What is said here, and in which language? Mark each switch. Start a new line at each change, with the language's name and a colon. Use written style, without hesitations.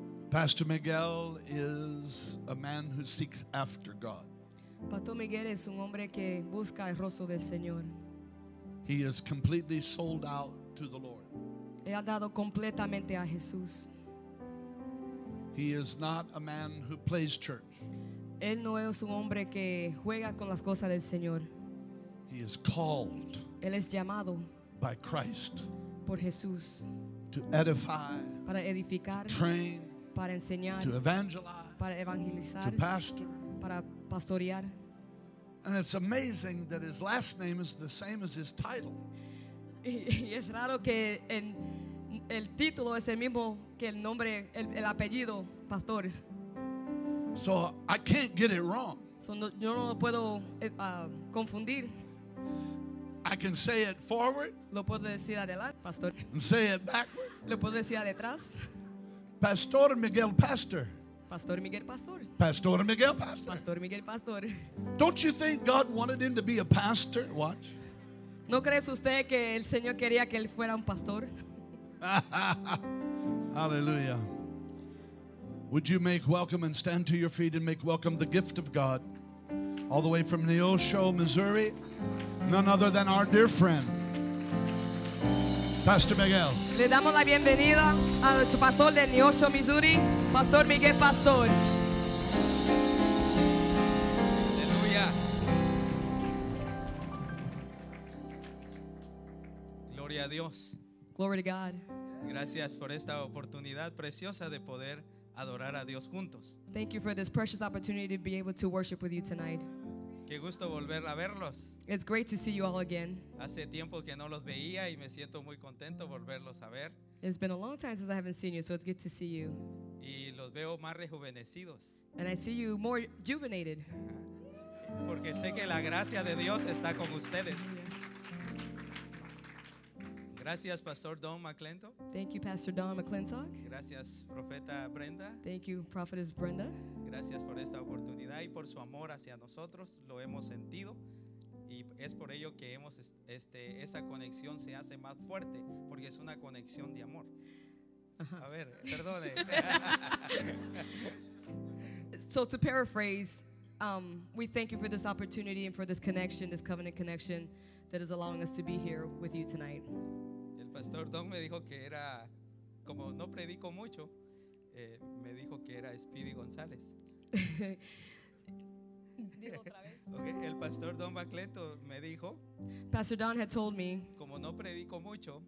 English: Pastor Miguel is a man who seeks after God.
Spanish: Pastor Miguel es un hombre que busca el rostro del Señor.
English: He is completely sold out to the Lord.
Spanish: Él ha dado completamente a Jesús.
English: He is not a man who plays church.
Spanish: Él no es un hombre que juega con las cosas del Señor.
English: He is called.
Spanish: Él es llamado.
English: By Christ.
Spanish: Por Jesús.
English: To edify.
Spanish: Para edificar.
English: To train.
Spanish: Para enseñar.
English: To evangelize.
Spanish: Para evangelizar.
English: To pastor.
Spanish: Para pastorear.
English: And it's amazing that his last name is the same as his title.
Spanish: Y es raro que en el título es el mismo que el nombre, el apellido, pastor.
English: So I can't get it wrong.
Spanish: So no, yo no lo puedo confundir.
English: I can say it forward.
Spanish: Lo puedo decir adelante, pastor.
English: And say it backward.
Spanish: Lo puedo decir detrás. Pastor Miguel Pastor. Pastor Miguel Pastor. Pastor Miguel Pastor. Pastor Miguel Pastor.
English: Don't you think God wanted him to be a pastor? Watch.
Spanish: ¿No crees usted que el Señor quería que él fuera un pastor? Hallelujah.
English: Would you make welcome and stand to your feet and make welcome the gift of God all the way from Neosho, Missouri, none other than our dear friend, Pastor Miguel.
Spanish: Le damos la bienvenida a tu pastor de Neosho, Missouri, Pastor Miguel Pastor. Hallelujah. Gloria a Dios.
English: Glory to God.
Spanish: Gracias por esta oportunidad preciosa de poder adorar a Dios juntos.
English: Thank you for this precious opportunity to be able to worship with you tonight.
Spanish: Qué gusto volver a verlos.
English: It's great to see you all again.
Spanish: Hace tiempo que no los veía y me siento muy contento volverlos a ver.
English: It's been a long time since I haven't seen you, so it's good to see you.
Spanish: Y los veo más rejuvenecidos.
English: And I see you more rejuvenated.
Spanish: Porque sé que la gracia de Dios está con ustedes. Gracias, Pastor Don McClintock.
English: Thank you, Pastor Don McClintock.
Spanish: Gracias, Profeta Brenda.
English: Thank you, Prophetess Brenda.
Spanish: Gracias por esta oportunidad y por su amor hacia nosotros. Lo hemos sentido y es por ello que hemos esa conexión se hace más fuerte porque es una conexión de amor. Uh-huh. A ver, perdone.
English: So to paraphrase, we thank you for this opportunity and for this connection, this covenant connection that is allowing us to be here with you tonight.
Spanish: Pastor Don me dijo que era, como no predico mucho, me dijo que era Speedy González. Dilo otra vez. Okay, el Pastor Don Bacleto me dijo.
English: Pastor Don had told me.
Spanish: Como no predico mucho.